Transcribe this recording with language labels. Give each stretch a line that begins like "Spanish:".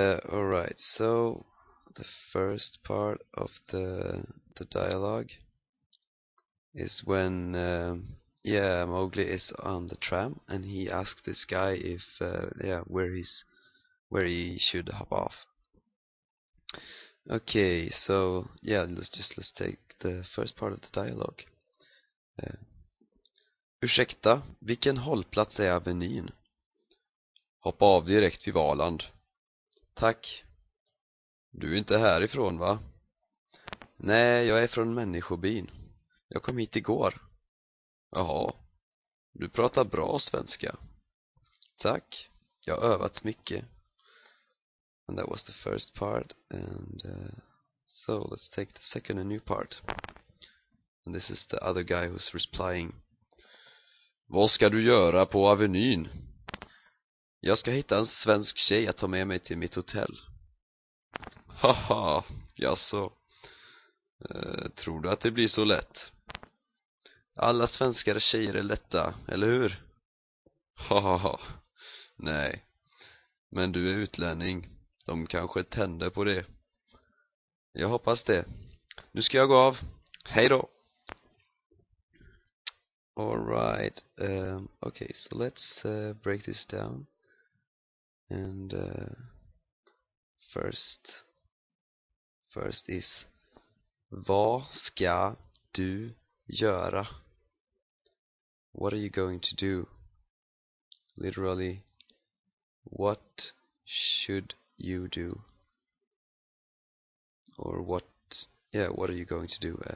English: All right, so the first part of the dialogue is when Mowgli is on the tram and he asks this guy if where he should hop off. Okay, so let's take the first part of the dialogue.
Swedish: Ursäkta, vilken hållplats är avenyn? Hoppa av direkt vid Valand. Tack. Du är inte härifrån, va? Nej, jag är från människobyn. Jag kom hit igår. Jaha, du pratar bra svenska. Tack, jag har övat mycket.
English: And that was the first part, and so let's take the second and new part. And this is the other guy who's replying.
Swedish: Vad ska du göra på avenyn? Jag ska hitta en svensk tjej att ta med mig till mitt hotell. Haha, jaså. Tror du att det blir så lätt? Alla svenskare tjejer är lätta, eller hur? Haha, nej. Men du är utlänning. De kanske tände på det. Jag hoppas det. Nu ska jag gå av. Hej då.
English: All right. Okay, so let's break this down. And first is,
Swedish: vad ska du göra?
English: What are you going to do? Literally, what should you do, or what are you going to do?